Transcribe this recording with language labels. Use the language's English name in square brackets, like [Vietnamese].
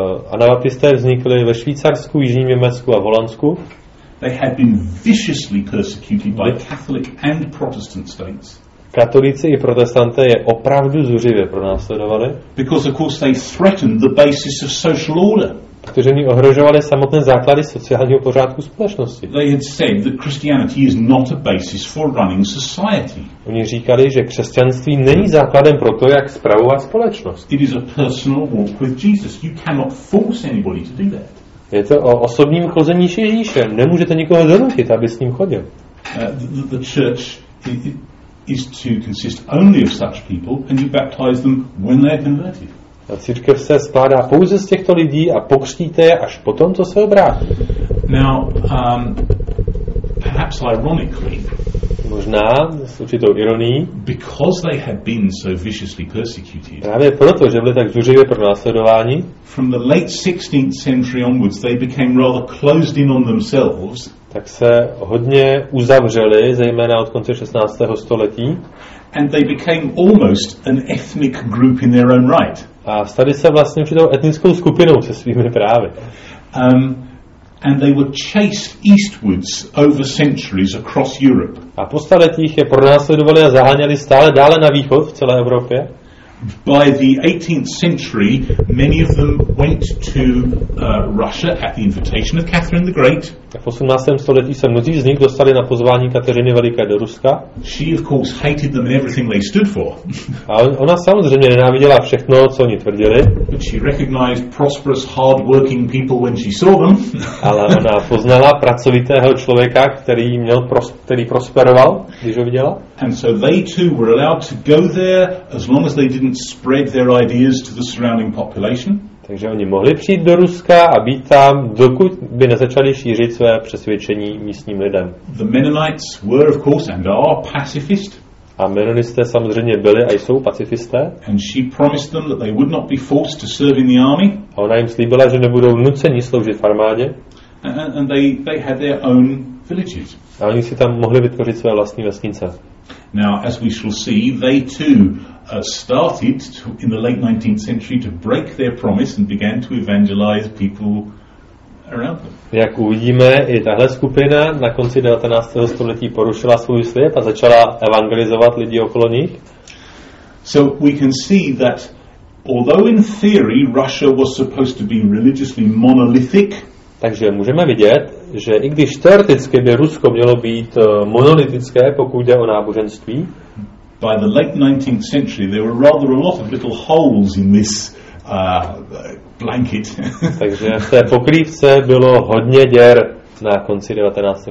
[Czech] Anabaptisté vznikli ve Švýcarsku, jižním Německu a v Holandsku. [English] They had been viciously persecuted by Catholic and Protestant states. [Czech] Katolíci i protestanté je opravdu zuřivě pronásledovali. [English] Because of course they threatened the basis of social order. [Czech] Protože oni ohrožovali samotné základy sociálního pořádku společnosti. [English] They had said that Christianity is not a basis for running society. [Czech] Oni říkali, že křesťanství není základem pro to, jak spravovat společnost. [English] It is a personal walk with Jesus. You cannot force anybody to do that. [Czech] Je to o osobním chození s Ježíšem. Nemůžete nikoho donutit, aby s ním chodil. [English] The church is to consist only of such people and you baptize them when they are converted. [Czech] A církev se skládá pouze z těchto lidí a pokřtíte je až potom, co se obrátí. [English] Now, perhaps ironically, [Czech] možná s určitou ironií, [English] because they had been so viciously persecuted, [Czech] právě proto, že byli tak zuřivě pronásledováni, [English] from the late 16th century onwards they became rather closed in on themselves, [Czech] tak se hodně uzavřeli, zejména od konce 16. století, [English] and they became almost an ethnic group in their own right. [Czech] A stali se vlastně určitou etnickou skupinou se svými právy. [English] And they were chased eastwards over centuries across Europe. [Czech] A po staletích je pronásledovali a zaháněli stále dále na východ v celé Evropě. [English] By the 18th century, many of them went to Russia at the invitation of Catherine the Great. [Czech] A po 18. století se mnozí z nich dostali na pozvání Kateřiny Veliké do Ruska. [English] She of course hated them and everything they stood for. [Czech] A ona samozřejmě nenáviděla všechno, co oni tvrdili. [English] But she recognized prosperous, hard-working people when she saw them. [Czech] Ale ona poznala pracovitého člověka, který měl který prosperoval, když ho viděla. [English] And so they too were allowed to go there as long as they didn't spread their ideas to the surrounding population. [Czech] Takže oni mohli přijít do Ruska a být tam, dokud by nezačali šířit své přesvědčení místním lidem. [English] The Mennonites were of course and are pacifist. [Czech] A Mennonisté samozřejmě byli a jsou pacifisté. [English] And she promised them that they would not be forced to serve in the army. [Czech] A ona jim slíbila, že nebudou nuceni sloužit v armádě. [English] And they had their own villages. [Czech] A oni si tam mohli vytvořit své vlastní vesnice. [English] Now as we shall see, they too started to, in the late 19th century to break their promise and began to evangelize people around them. [Czech] Jak uvidíme, i tahle skupina na konci 19. století porušila svůj slib a začala evangelizovat lidi okolo nich. [English] So we can see that although in theory Russia was supposed to be religiously monolithic, [Czech] takže můžeme vidět, že i když teoreticky by Rusko mělo být monolitické, pokud jde o náboženství, [English] by the late 19th century there were rather a lot of little holes in this blanket. [Czech] Takže v té pokrývce bylo hodně děr na konci 19.